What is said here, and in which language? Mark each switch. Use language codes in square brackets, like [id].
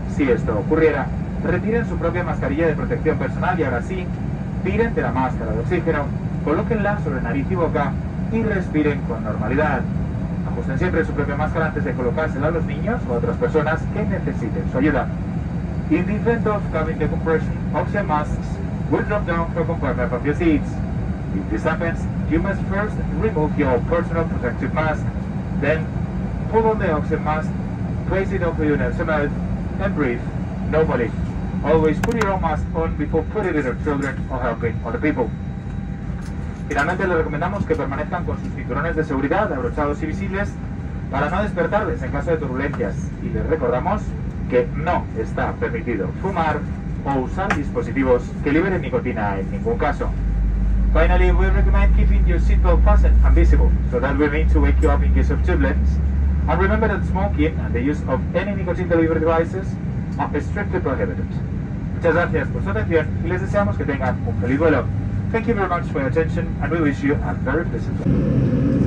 [es] Si esto ocurriera, retiren su propia mascarilla de protección personal y ahora sí, tiren de la máscara de oxígeno, colóquenla sobre nariz y boca y respiren con normalidad. Ajusten siempre su propia máscara antes de colocársela a los niños o a otras personas que necesiten su ayuda. [en] In the event of cabin decompression, oxygen masks will drop down from compartment of your seats. If this happens, you must first remove your personal protective mask, then pull on the oxygen mask, place it over your nose and mouth, and breathe normally. Always put your own mask on before putting it on children or helping other people. [es] Finalmente, le recomendamos que permanezcan con sus cinturones de seguridad abrochados y visibles para no despertarles en caso de turbulencias. Y les recordamos que no está permitido fumar o usar dispositivos que liberen nicotina en ningún caso. [en] Finally, we recommend keeping your seatbelt fastened and visible, so that we need to wake you up in case of turbulence. And remember that smoking and the use of any nicotine delivery devices are strictly prohibited. [es] Muchas gracias por su atención y les deseamos que tengan un feliz vuelo. [en] Thank you very much for your attention and we wish you a very pleasant flight.